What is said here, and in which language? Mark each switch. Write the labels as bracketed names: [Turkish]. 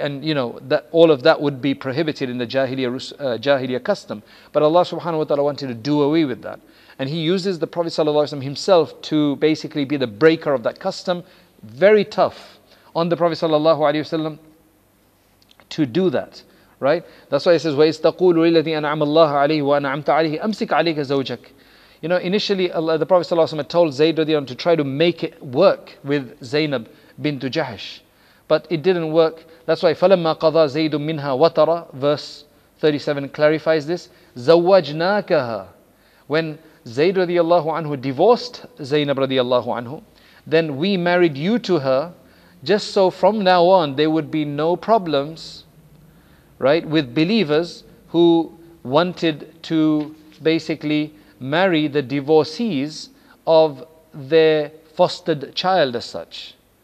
[English] And you know that all of that would be prohibited in the Jahiliyyah custom. But Allah subhanahu wa ta'ala wanted to do away with that, and he uses the Prophet sallallahu alaihi wasallam himself to basically be the breaker of that custom. Very tough on the Prophet sallallahu alaihi wasallam to do that, right? That's why he says, [Arabic] وَإِسْتَقُولُ لِلَّذِي أَنْعَمَ اللَّهُ عَلَيْهِ وَأَنْعَمْتَ عَلَيْهِ أَمْسِكْ عَلَيْكَ زَوْجَكَ. [English] You know, initially the Prophet ﷺ had told Zayd radiallahu anhu to try to make it work with Zainab bint Jahash, but it didn't work. That's why [Arabic] فَلَمَّا قَضَى زَيْدٌ مِّنْهَا وَطَرَى, [English] verse 37 clarifies this. [Arabic] زَوَّجْنَاكَهَا. [English] When Zayd radiallahu anhu divorced Zainab radiallahu anhu, then we married you to her, just so from now on there would be no problems, right, with believers who wanted to basically marry the divorcees of their fostered child as such.